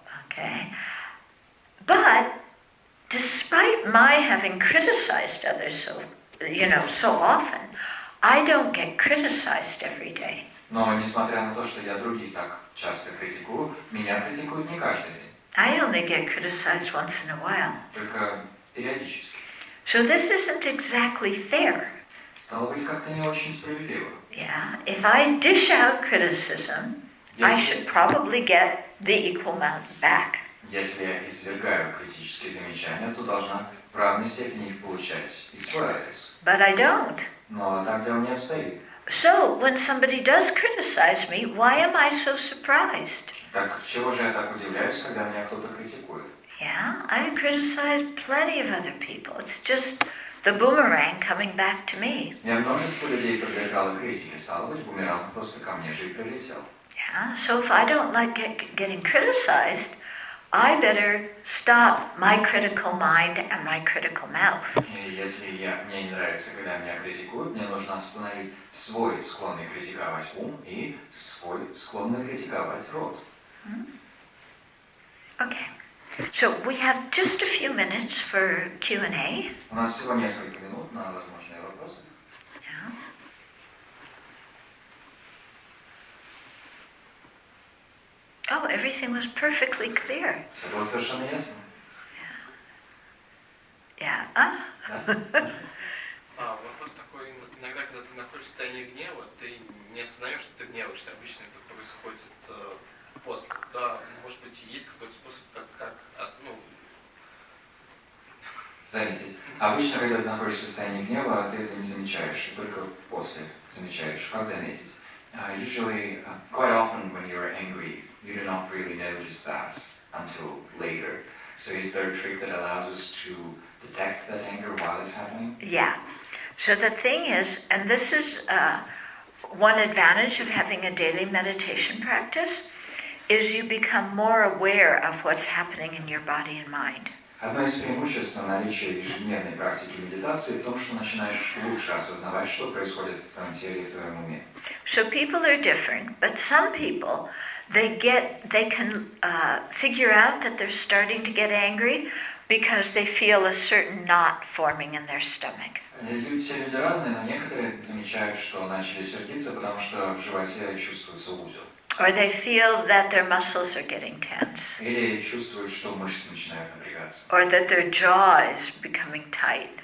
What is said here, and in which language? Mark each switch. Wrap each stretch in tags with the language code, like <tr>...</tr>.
<en>Okay, but despite my having criticized others so, you know, so often, I don't get criticized every day.</en> <ru>Но несмотря на то, что я других так часто критикую, меня критикуют не каждый день.</ru> <en>I only get criticized once in a while.</en> <ru>Только периодически.</ru> <en>So this isn't exactly fair.</en> <ru>Стало быть, как-то не очень справедливо.</ru> <en>Yeah, if I dish out criticism, I should probably get the equal amount back.</en> <ru>Если я извергаю критические замечания, то должна в равной степени их получать и свой адрес.</ru> <en>But I don't.</en> <ru>Но так дело не обстоит.</ru> <en>So, when somebody does criticize me, why am I so surprised?</en> <ru>Так чего же я так удивляюсь, когда меня кто-то критикует?</ru> <en>Yeah, I criticize plenty of other people. It's just the boomerang coming back to me.</en> <ru>Я множество людей подвергал критике, стало быть, бумеранг просто ко мне же и прилетел.</ru> <en>Yeah, so if I don't like getting criticized, I better stop my critical mind and my critical mouth.</en> <ru>Если мне не нравится, когда меня критикуют, мне нужно остановить свой склонный критиковать ум и свой склонный критиковать рот.</ru> <en>Okay. So we have just a few minutes for Q&A.</en> <ru>У нас всего несколько минут на возможные вопросы.</ru> <en>Oh, everything was perfectly clear.</en> <ru>Все было совершенно ясно.</ru> <en>Yeah. Yeah.</en> <ru>Вопрос такой, иногда, когда ты находишься в состоянии гнева, ты не осознаешь, что ты гневаешься. Обычно это происходит после. Да, может быть, есть какой-то способ, как остановить? Заметить. Обычно, когда ты находишься в состоянии гнева, ты это не замечаешь. И только после замечаешь. Как заметить?</ru> <en>Quite often, when you're angry, you do not really notice that until later. So is there a trick that allows us to detect that anger while it's happening? Yeah. So the thing is, and this is one advantage of having a daily meditation practice, is you become more aware of what's happening in your body and mind. Одно из преимуществ наличия ежедневной практики медитации в том, что начинаешь лучше осознавать, что происходит в твоем теле и в твоем уме. So people are different, but some people, they can figure out that they're starting to get angry because they feel a certain knot forming in their stomach. Люди разные, но некоторые замечают, что начали сердиться, потому что в животе чувствуется узел. Or they feel that their muscles are getting tense. Или чувствуют, что мышцы начинают напрягаться. Or that their jaw is becoming tight.</en>